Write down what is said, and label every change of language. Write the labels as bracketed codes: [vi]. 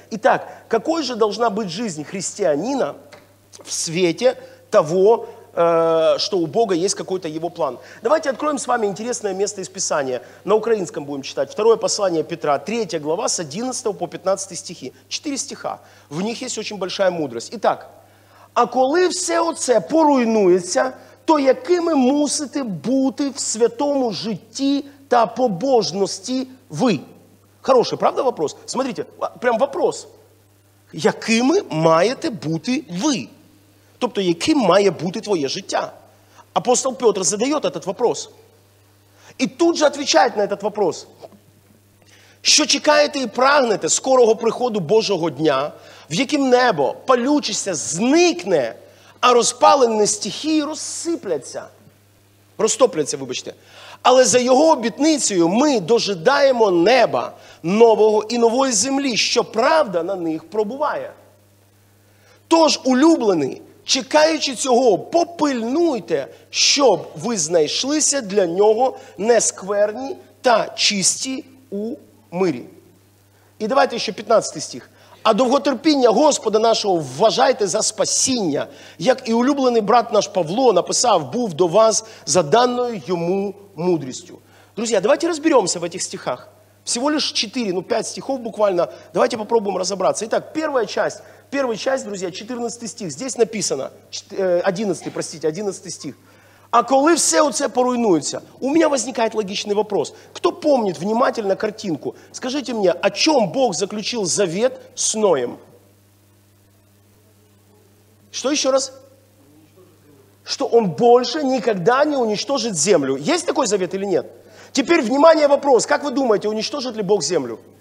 [ru] Итак, какой же должна быть жизнь христианина в свете того, что у Бога есть какой-то его план. Давайте откроем с вами интересное место из Писания. На украинском будем читать. Второе послание Петра, 3 глава, с 11 по 15 стихи. 4 стиха. В них есть очень большая мудрость. [uk] Итак, «А коли все оце поруйнується, то якими мусите бути в святому житті та побожності ви?» [ru] Хороший, правда, вопрос? Смотрите, прям вопрос. [uk] «Якими маєте бути ви?» Тобто, яким має бути твоє життя? [ru] Апостол Петр задает этот вопрос. И тут же отвечает на этот вопрос. [uk] Що чекаєте і прагнете скорого приходу Божого дня, в яким небо палючися зникне, а розпалені стихії розсипляться? Розтопляться, вибачте. Але за його обітницею ми дожидаємо неба нового і нової землі, що правда на них пробуває. Тож, улюблений, чекаючи цього, попильнуйте, щоб ви знайшлися для нього нескверні та чисті у мирі. І давайте ще 15 стих. А довготерпіння Господа нашого вважайте за спасіння, як і улюблений брат наш Павло написав, був до вас за даною йому мудрістю. Друзі, давайте розберемося в цих стихах. [ru] Всего лишь 4, ну 5 стихов буквально. Давайте попробуем разобраться. Итак, первая часть, друзья, 14 стих. Здесь написано, 11 стих. [uk] А коли все оце поруйнується? [ru] У меня возникает логичный вопрос. Кто помнит внимательно картинку? Скажите мне, о чем Бог заключил завет с Ноем? Что еще раз? Что он больше никогда не уничтожит землю. Есть такой завет или нет? Теперь, внимание, вопрос. Как вы думаете, уничтожит ли Бог землю?